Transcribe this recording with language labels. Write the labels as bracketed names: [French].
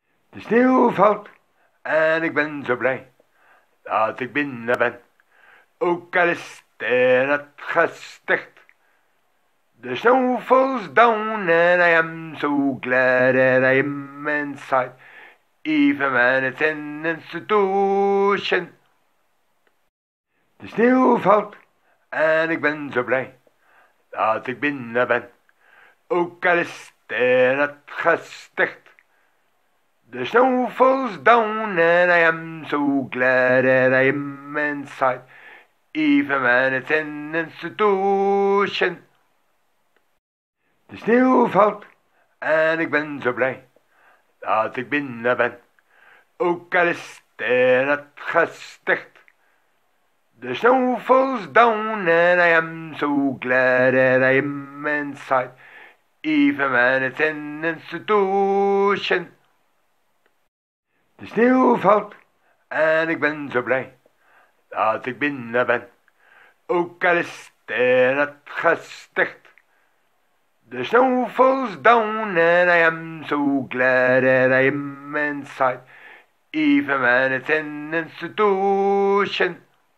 [Dutch] De sneeuw valt en ik ben zo blij dat ik binnen ben. Ook al is het gesticht. [English] De snow falls down and I am so glad that I am inside. Even when it's in institution. [Dutch] De sneeuw valt en ik ben zo blij dat ik binnen ben. Ook al is het gesticht. [English] The snow falls down and I am so glad that I am inside, even when it's an institution. [Dutch] De sneeuw valt en ik ben zo blij dat ik binnen ben, ook al is het gesticht. [English] The snow falls down and I am so glad that I am inside, even when it's an institution. [Dutch] De sneeuw valt en ik ben zo blij dat ik binnen ben, ook al is het gesticht. [English] De snow falls down and I am so glad that I am inside, even when it's an institution.